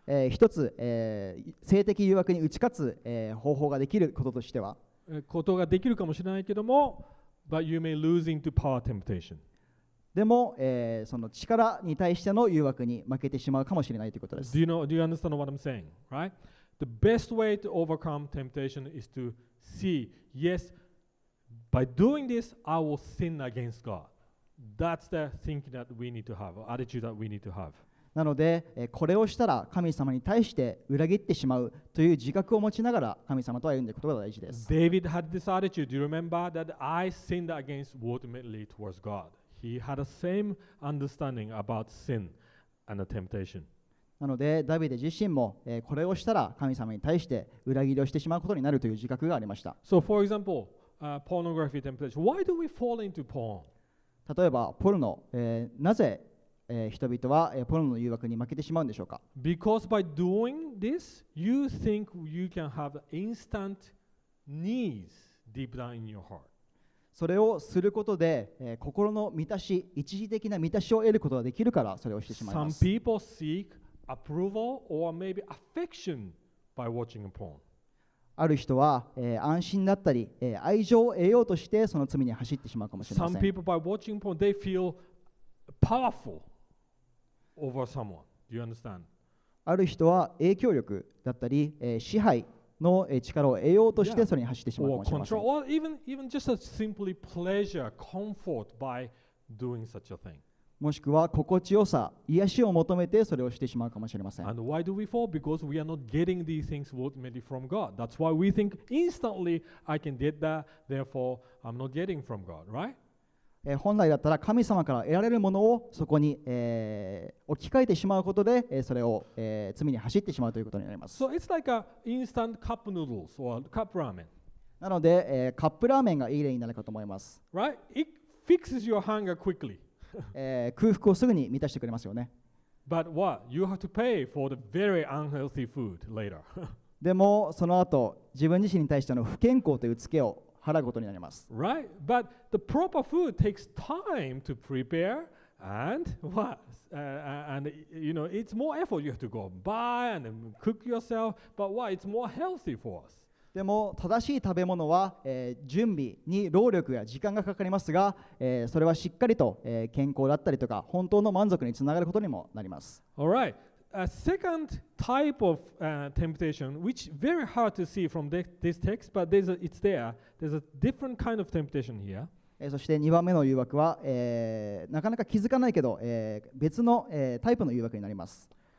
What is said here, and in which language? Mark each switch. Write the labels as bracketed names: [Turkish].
[Japanese] 一つ、性的誘惑に打ち勝つ、方法ができることとしては、ことができるかもしれないけども、 [English] but you may lose into power temptation. [Japanese] でも、その力に対しての誘惑に負けてしまうかもしれないということです。 [English] Do you understand what I'm saying? Right? The best way to overcome temptation is to see, yes, by doing this, I will sin against God. That's the thinking that we need to have, attitude that we need to have. [Japanese] なので、これをしたら神様に対して裏切ってしまうという自覚を持ちながら神様と歩んでいくことが大事です。 [English] David had this attitude. Do you remember that I sinned against ultimately towards God? He had the same understanding about sin and the temptation. [Japanese] なので、ダビデ自身も、これをしたら神様に対して裏切りをしてしまうことになるという自覚がありました。 [English] So, for example, pornography temptation. Why do we fall into porn? [Japanese] 例えば、ポルノ、なぜ、人々は、ポルノの誘惑に負けてしまうんでしょうか? [English] Because by doing this, you think you can have instant needs deep down in your heart. [Japanese] それをすることで、心の満たし、一時的な満たしを得ることができるからそれをしてしまいます。 [English] Some people seek approval or maybe affection by watching porn. [Japanese] ある人は、安心だったり、愛情を得ようとしてその罪に走ってしまうかもしれません。 [English] Some people by watching porn, they feel powerful over someone. Do you understand? [Japanese] ある人は影響力だったり、支配の力を得ようとしてそれに走ってしまうかもしれません。 [English] Yeah. Or control, or even just a simply pleasure, comfort by doing such a thing. [Japanese] もしくは心地よさ、癒しを求めてそれをしてしまうかもしれません。 [English] And why do we fall? Because we are not getting these things ultimately from God. That's why we think instantly I can get that, therefore I'm not getting from God, right? [Japanese] 本来だったら神様から得られるものをそこに、置き換えてしまうことで、それを、罪に走ってしまうということになります。 [English] So it's like a instant cup noodles or cup ramen. [Japanese] なので、カップラーメンがいい例になるかと思います。 [English] Right? It fixes your hunger quickly. [Japanese] 空腹をすぐに満たしてくれますよね。 [English] But what? You have to pay for the very unhealthy food later. [Japanese] でも、その後、自分自身に対しての不健康というつけを払うことになります。 [English] Right? But the proper food takes time to prepare and what? And you know, it's more effort you have to go buy and cook yourself, but what? It's more healthy for us. [Japanese] でも正しい食べ物は、準備に労力や時間がかかりますが、それはしっかりと、健康だったりとか本当の満足につながることにもなります。 [English] All right. A second type of temptation, which is very hard to see from this text, but it's there. There's a different kind of temptation here. [Japanese] そして2番目の誘惑は、なかなか気づかないけど、別の、タイプの誘惑になります。